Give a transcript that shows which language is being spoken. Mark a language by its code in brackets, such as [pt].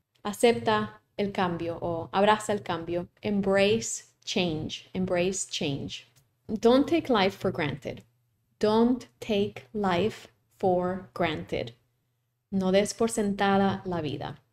[es] Acepta el cambio o abraza el cambio. [en] Embrace change. Embrace change. Don't take life for granted. Don't take life for granted. [es] No des por sentada la vida.